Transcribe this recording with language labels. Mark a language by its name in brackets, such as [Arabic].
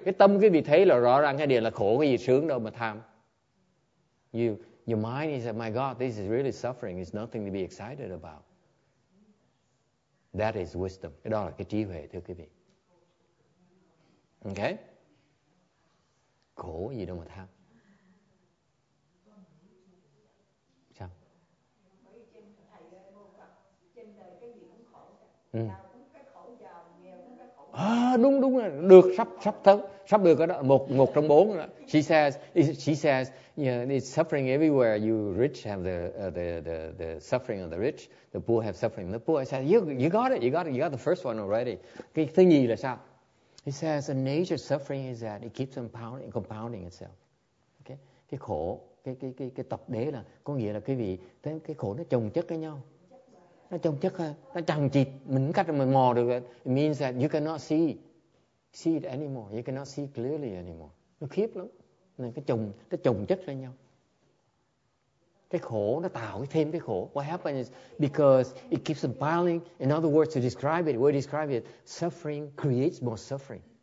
[Vietnamese] Cái tâm quý vị thấy là rõ ràng cái điều là khổ, cái gì sướng đâu mà tham. [English] Your mind is like, my God, this is really suffering. It's nothing to be excited about. That is wisdom. [Vietnamese] Cái đó là cái trí huệ, thưa quý vị. Okay? Khổ gì đâu mà tham. Sao? Đúng rồi, được sắp tới, sắp được cái đó. Một trong bốn. [English] She says, yeah, it's suffering everywhere. You rich have the suffering of the rich. The poor have suffering of the poor. I said, you got it. You got the first one already. [Vietnamese] Cái thứ nhì là sao? [English] He says, the nature of suffering is that it keeps compounding itself. [Vietnamese] Okay, cái khổ, cái tập đế là có nghĩa là quý vị thấy cái khổ nó chồng chất với nhau. Nó trồng chất hơn, nó chằng chịt, mình cách mình mò được. [English] It means that you cannot see it anymore, you cannot see clearly anymore. [Vietnamese] Nó khiếp lắm, nên cái trồng chất lên nhau. Cái khổ nó tạo thêm cái khổ. [English] What happens is because it keeps compiling. In other words, to describe it, we describe it, suffering creates more suffering.